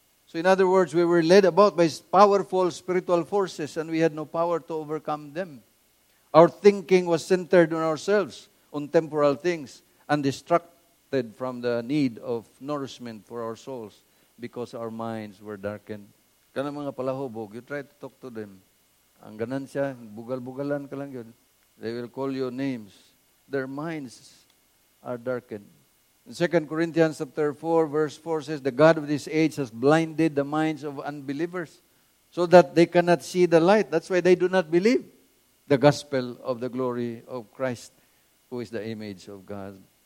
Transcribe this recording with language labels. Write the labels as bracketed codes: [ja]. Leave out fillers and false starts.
[en] So in other words, we were led about by powerful spiritual forces and we had no power to overcome them. Our thinking was centered on ourselves, on temporal things, and distracted from the need of nourishment for our souls because our minds were darkened. [ceb] Kana mga palahubog, [en] you try to talk to them. [ceb] Ang ganan siya, bugal-bugalan ka lang yun. [en] They will call you names. Their minds are darkened. In 2 Corinthians chapter 4, verse 4 says, the God of this age has blinded the minds of unbelievers so that they cannot see the light. That's why they do not believe the gospel of the glory of Christ, who is the image of God.